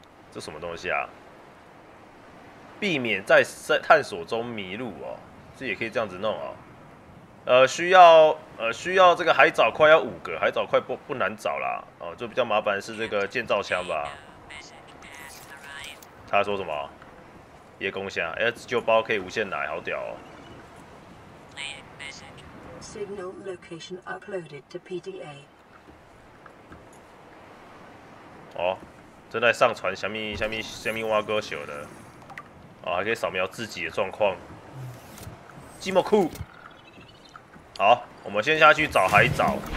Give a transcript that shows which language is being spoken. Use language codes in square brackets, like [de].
[zh] 这什么东西啊？避免在探索中迷路哦，这也可以这样子弄哦。需要这个海藻块要五个，海藻块不难找啦。哦，就比较麻烦是这个建造枪吧。他说什么？夜空下 S 九包可以无限奶，好屌哦。 [en] Signal location uploaded to PDA。 [zh] 哦，正在上传虾米挖歌手的，哦，还可以扫描自己的状况，这么酷。好，我们先下去找海藻。